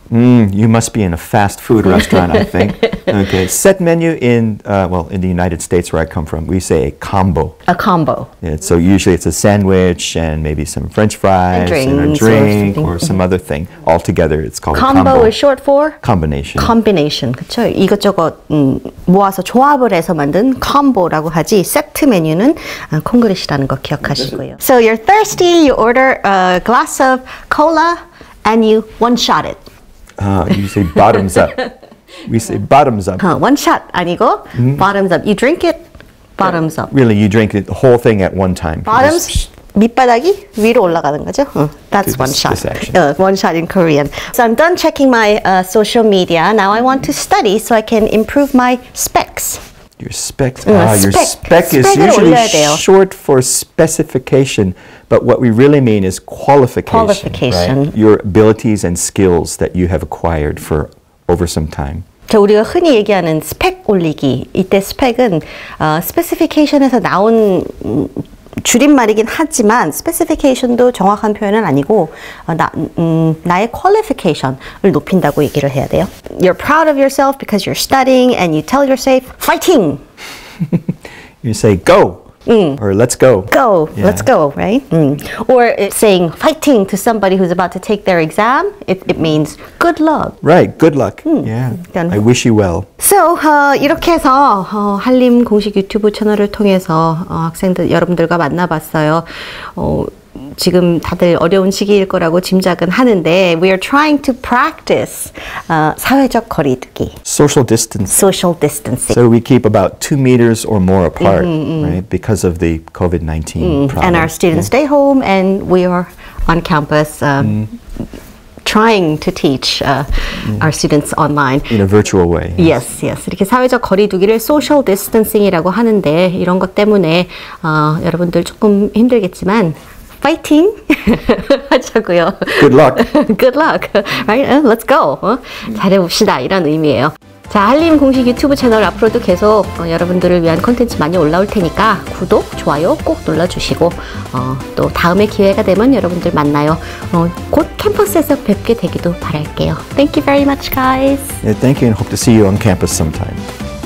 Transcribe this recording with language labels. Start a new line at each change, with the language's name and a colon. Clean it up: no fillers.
English: You must be in a fast food restaurant, I think. Okay, set menu in the United States where I come from, we say a combo. A combo. Yeah, so usually it's a sandwich and maybe some French fries and a drink or some other thing. All together it's called combo. Is short for? Combination. Combination,
Korean: 그렇죠? 이것저것 모아서 조합을 해서 만든 콤보라고 하지 세트 메뉴는 콩글리시라는 거 기억하시고요.
English: So you're thirsty, you order a glass of cola, and you one-shot it. You say bottoms up. We say bottoms up. One shot
Korean: 아니고
English: bottoms up. You drink it bottoms up. Really, you drink it the whole thing at one time. Bottoms,
Korean: 밑바닥이 위로 올라가는 거죠.
English: That's one shot. One shot in Korean. So I'm done checking my social media. Now I want to study so I can improve my specs. Your specs. Your spec is usually short for specification. But what we really mean is qualification. Right? Your abilities and skills that you have acquired for over some time.
Korean: 자, 우리가 흔히 얘기하는 스펙 올리기. 이때 스펙은 스페시피케이션에서 나온 줄임말이긴 하지만 스페시피케이션도 정확한 표현은 아니고 나의 퀄리피케이션을 높인다고 얘기를 해야 돼요.
English: You're proud of yourself because you're studying and you tell yourself fighting. You say go. Or let's go. Go, yeah. Let's go, right? Or it's saying fighting to somebody who's about to take their exam, it means good luck. Right, good luck. Yeah, then. I wish you well.
Korean: So, 이렇게 해서 한림 공식 유튜브 채널을 통해서 학생들 여러분들과 만나봤어요. 지금 다들 어려운 시기일 거라고 짐작은 하는데
English: we are trying to practice
Korean: 사회적 거리두기
English: social distancing. So we keep about 2 meters or more apart, right? Because of the COVID-19 problem. And our students stay home, and we are on campus trying to teach our students online in a virtual way. Yes, yes.
Korean: 이렇게 사회적 거리두기를
English: social distancing
Korean: 이라고 하는데 이런 것 때문에 여러분들 조금 힘들겠지만. Fighting 하자고요.
English: Good luck. Good luck. Right? Let's go.
Korean: 잘해봅시다. 이런 의미예요. 자, 한림 공식 유튜브 채널 앞으로도 계속 여러분들을 위한 콘텐츠 많이 올라올 테니까 구독, 좋아요 꼭 눌러주시고 또 다음에 기회가 되면 여러분들 만나요. 곧 캠퍼스에서 뵙게 되기도 바랄게요.
English: Thank you very much, guys. Yeah, thank you and hope to see you on campus sometime.